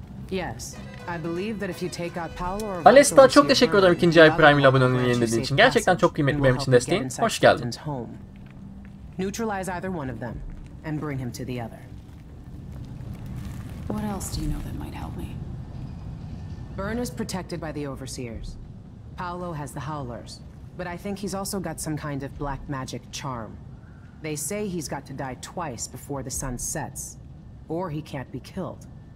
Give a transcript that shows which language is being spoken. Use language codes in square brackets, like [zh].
[en] Yes, I believe that if you take out Paolo or [tr] Valesta, çok teşekkür ederim ikinci ay Prime ile abone olmayı yenilediğin için. Gerçekten çok kıymetli benim için desteğin. Hoş geldin. [en] Neutralize either one of them and bring him to the other. What else do you know that might help me? Bern is protected by the overseers. Paolo has the howlers. But I think he's also got some kind of black magic charm. They say he's got to die twice before the sun sets, or he can't be killed.